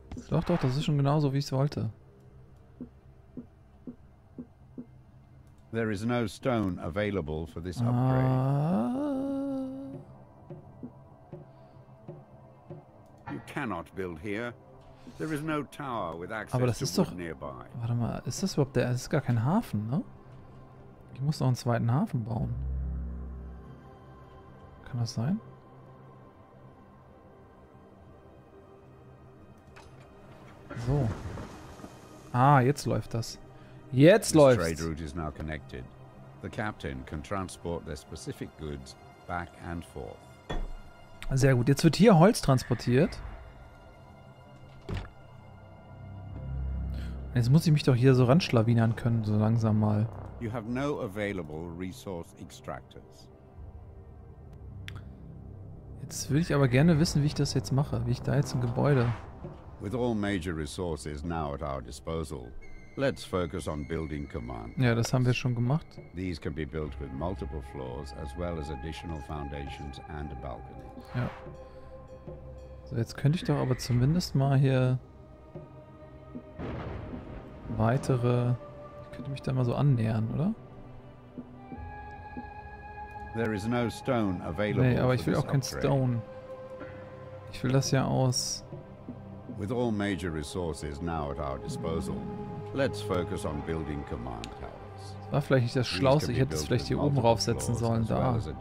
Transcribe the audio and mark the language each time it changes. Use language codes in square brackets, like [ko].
[de] Doch, doch, das ist schon genauso, wie ich es wollte. [en] There is no stone available for this upgrade. You cannot build here. There is no tower with access to wood nearby. [de] Warte mal, ist das überhaupt der? Das ist gar kein Hafen, ne? Ich muss noch einen zweiten Hafen bauen. Kann das sein? So. Ah, jetzt läuft das. Jetzt läuft's. [en] This trade route is now connected. The captain can transport their specific goods back and forth. [de] Sehr gut. Jetzt wird hier Holz transportiert. Jetzt muss ich mich doch hier so ranschlawinern können, so langsam mal. [en] You have no available resource extractors. [de] Jetzt würde ich aber gerne wissen, wie ich das jetzt mache, wie ich da jetzt ein Gebäude. [en] With all major resources now at our disposal, let's focus on building command. [de] Ja, das haben wir schon gemacht. [en] These can be built with multiple floors as well as additional foundations and a balcony. [de] Ja. So, jetzt könnte ich doch aber zumindest mal hier weitere. Ich könnte mich da mal so annähern, oder? [en] There is no stone available. [de] Nee, aber ich will auch kein Stone. Ich will das ja aus. [en] With all major resources now at our disposal, let's focus on building command towers. [de] Das war vielleicht nicht das Schlauste. Ich hätte es vielleicht hier oben raufsetzen sollen, da.